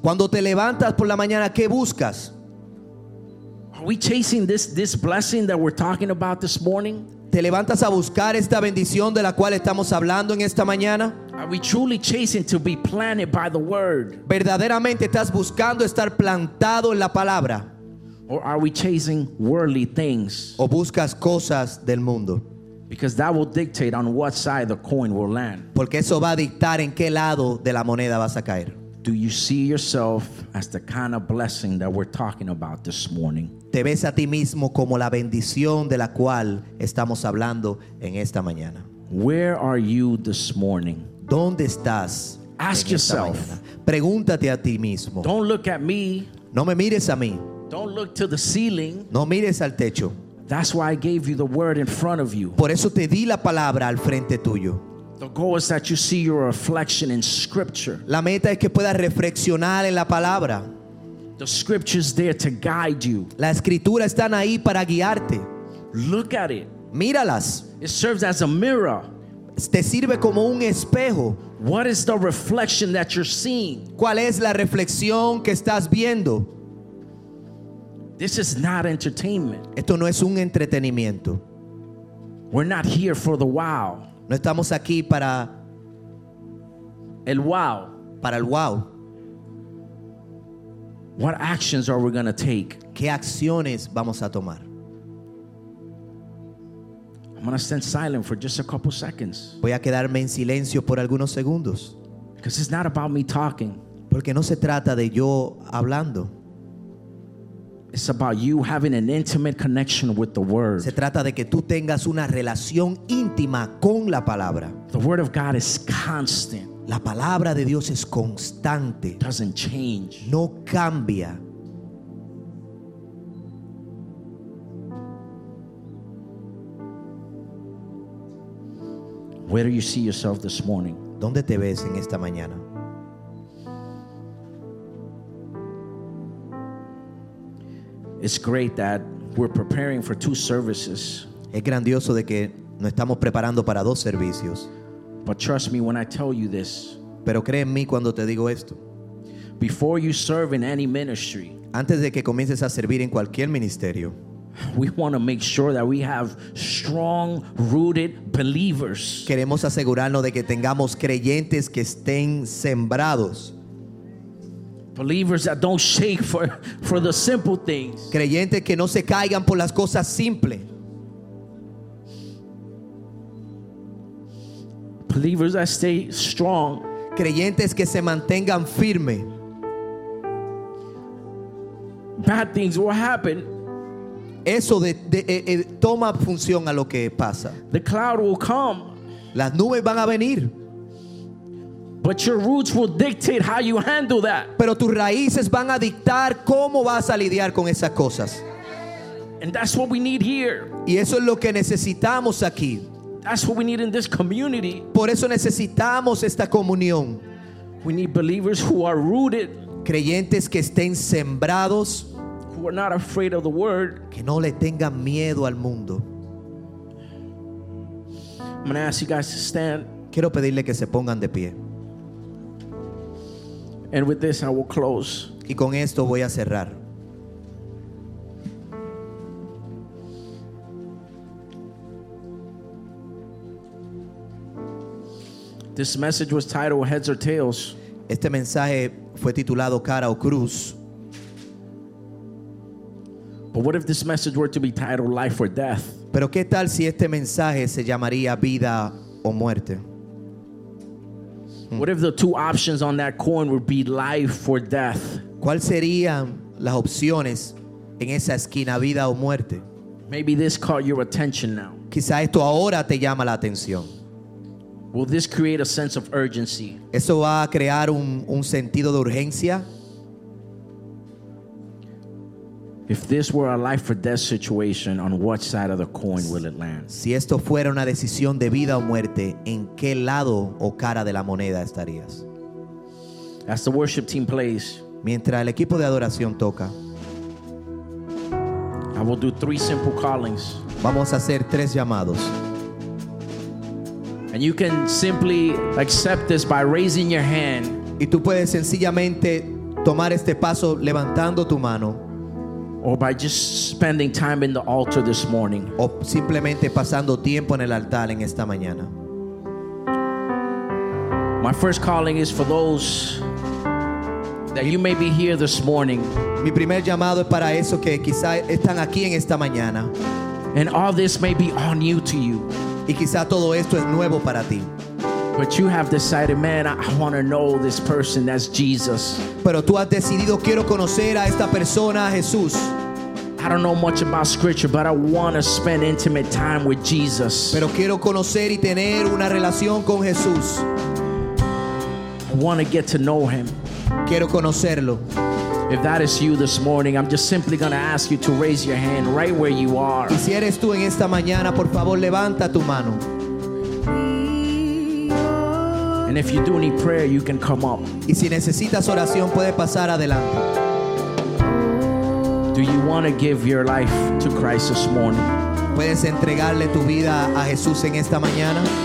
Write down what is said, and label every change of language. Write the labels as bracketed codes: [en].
[es] Cuando te levantas por la mañana, ¿qué buscas? [en] Are we chasing this blessing that we're talking about this morning? [es] ¿Te levantas a buscar esta bendición de la cual estamos hablando en esta mañana? [en] Are we truly chasing to be planted by the word? [es] ¿Verdaderamente estás buscando estar plantado en la palabra? [en] Or are we chasing worldly things? [es] ¿O buscas cosas del mundo? [en] Because that will dictate on what side the coin will land. [es] Porque eso va a dictar en qué lado de la moneda vas a caer. [en] Do you see yourself as the kind of blessing that we're talking about this morning? [es] ¿Te ves a ti mismo como la bendición de la cual estamos hablando en esta mañana? [en] Where are you this morning? [es] ¿Dónde estás? [en] Ask yourself. [es] Pregúntate a ti mismo. [en] Don't look at me. [es] No me mires a mí. [en] Don't look to the ceiling. [es] No mires al techo. [en] That's why I gave you the word in front of you. [es] Por eso te di la palabra al frente tuyo. [en] The goal is that you see your reflection in Scripture. [es] La meta es que puedas reflexionar en la palabra. [en] The Scripture is there to guide you. [es] La escritura está ahí para guiarte. [en] Look at it. [es] Míralas. [en] It serves as a mirror. [es] Te sirve como un espejo. [en] What is the reflection that you're seeing? [es] ¿Cuál es la reflexión que estás viendo? [en] This is not entertainment. [es] Esto no es un entretenimiento. [en] We're not here for the wow. [es] No estamos aquí para el wow. Para el wow. [en] What actions are we going to take? [es] ¿Qué acciones vamos a tomar? [en] I'm going to stand silent for just a couple seconds. [es] Voy a quedarme en silencio por algunos segundos. [en] Because it's not about me talking. [es] Porque no se trata de yo hablando. [en] It's about you having an intimate connection with the word. [es] Se trata de que tú tengas una relación íntima con la palabra. [en] The word of God is constant. [es] La palabra de Dios es constante. [en] Doesn't change. [es] No cambia. [en] Where do you see yourself this morning? [es] ¿Dónde te ves en esta mañana? [en] It's great that we're preparing for two services. [es] Es grandioso de que nos estamos preparando para dos servicios. [en] But trust me when I tell you this. [es] Pero cree en mí cuando te digo esto. [en] Before you serve in any ministry, [es] antes de que comiences a servir en cualquier ministerio, [en] we want to make sure that we have strong rooted believers. [es] Queremos asegurarnos de que tengamos creyentes que estén sembrados. [en] Believers that don't shake for the simple things. [es] Creyentes que no se caigan por las cosas simples. [en] Believers that stay strong. [es] Creyentes que se mantengan firme. [en] Bad things will happen. [es] Eso de toma función a lo que pasa. [en] The cloud will come. [es] Las nubes van a venir. [en] But your roots will dictate how you handle that. [es] Pero tus raíces van a dictar cómo vas a lidiar con esas cosas. [en] And that's what we need here. [es] Y eso es lo que necesitamos aquí. [en] That's what we need in this community. [es] Por eso necesitamos esta comunión. [en] We need believers who are rooted. [es] Creyentes que estén sembrados. [en] Who are not afraid of the word. [es] Que no le tengan miedo al mundo. [en] I'm going to ask you guys to stand. [es] Quiero pedirle que se pongan de pie. [en] And with this I will close. [es] Y con esto voy a cerrar. [en] This message was titled Heads or Tails. [es] Este mensaje fue titulado Cara o Cruz. [en] But what if this message were to be titled Life or Death? [es] Pero qué tal si este mensaje se llamaría Vida o Muerte? [en] What if the two options on that coin would be life or death? [es] ¿Cuál serían las opciones en esa esquina, vida o muerte? [en] Maybe this caught your attention now. [es] Quizá esto ahora te llama la atención. [en] Will this create a sense of urgency? [es] ¿Eso va a crear un sentido de urgencia? [en] If this were a life or death situation, on what side of the coin will it land? [es] Si esto fuera una decisión de vida o muerte, ¿en qué lado o cara de la moneda estarías? [en] As the worship team plays, [es] mientras el equipo de adoración toca, [en] I will do three simple callings. [es] Vamos a hacer tres llamados. [en] And you can simply accept this by raising your hand. [es] Y tú puedes sencillamente tomar este paso levantando tu mano. [en] Or by just spending time in the altar this morning. [es] O simplemente pasando tiempo en el altar en esta mañana. [en] My first calling is for those that you may be here this morning. [es] Mi primer llamado es para eso que quizá están aquí en esta mañana. [en] And all this may be all new to you. [es] Y quizá todo esto es nuevo para ti. [en] But you have decided, man, I want to know this person, that's Jesus. [es] Pero tú has decidido, quiero conocer a esta persona, a Jesús. [en] I don't know much about scripture, but I want to spend intimate time with Jesus. [es] Pero quiero conocer y tener una relación con Jesús. [en] I want to get to know him. [es] Quiero conocerlo. [en] If that is you this morning, I'm just simply going to ask you to raise your hand right where you are. [es] Y si eres tú en esta mañana, por favor, levanta tu mano. [en] And if you do need prayer, you can come up. [es] Y si necesitas oración, puede pasar adelante. [en] Do you want to give your life to Christ this morning? [es] ¿Puedes entregarle tu vida a Jesús en esta mañana?